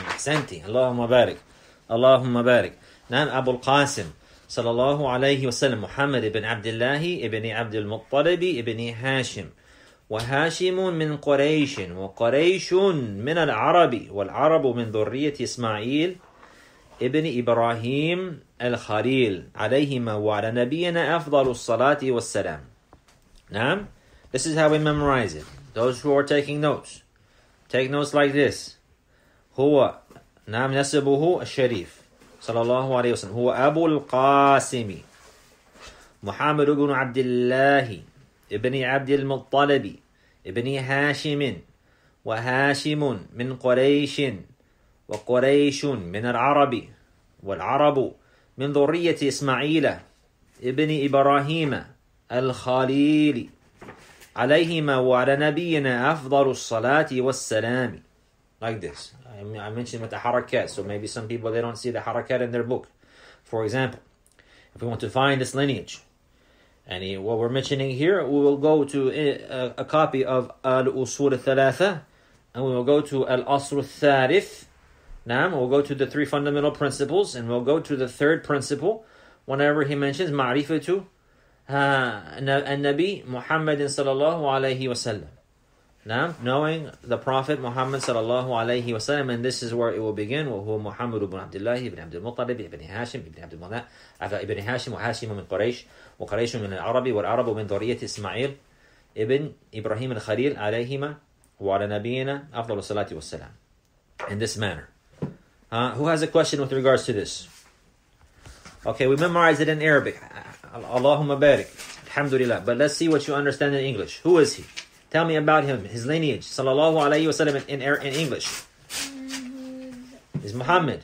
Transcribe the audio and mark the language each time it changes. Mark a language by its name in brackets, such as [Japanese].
[Arabic] أحسنتي، اللهم بارك، اللهم بارك. نعم، أبو القاسم صلى الله عليه وسلم، محمد بن عبد الله ابن عبد المطلب ابن هاشم، وهاشم من قريش، وقريش من العرب، والعرب من ذرية إسماعيل ابن إبراهيم الخليل عليهما وعلى نبينا أفضل الصلاة والسلام. [English] نعم، this is how we memorize it. Those who are taking notes, take notes like this. [Arabic] هو نعم نسبه الشريف صلى الله عليه وسلم، هو أبو القاسم محمد بن عبد الله ابن عبد المطلب ابن هاشم، وهاشم من قريش، وقريش من العرب، والعرب من ذرية إسماعيل ابن إبراهيم الخليل عليهما وعلى نبينا أفضل الصلاة والسلام. [English] Like this. I mentioned with the harakat, so maybe some people, they don't see the harakat in their book. For example, if we want to find this lineage, and what we're mentioning here, we will go to a copy of Al-Usul al-Thalatha, and we will go to Al-Asr al-Tharith. Naam, we'll go to the three fundamental principles, and we'll go to the third principle whenever he mentions Ma'rifatu al-Nabi Muhammadin sallallahu alayhi wa sallam. Now, knowing the Prophet Muhammad sallallahu alayhi wa sallam, and this is where it will begin. [Arabic] وهو محمد بن عبد الله بن عبد المطلب بن هاشم بن عبد المناء ابن هاشم وهاشم من قريش وقريش من العرب والعرب من ذرية إسماعيل ابن إبراهيم الخليل عليهما وعلى نبينا أفضل الصلاة والسلام. [English] In this manner. Who has a question with regards to this? Okay, we memorize it in Arabic. Allahumma barik. Alhamdulillah. But let's see what you understand in English. Who is he? Tell me about him, his lineage, sallallahu alayhi wa sallam, in English. Is Muhammad.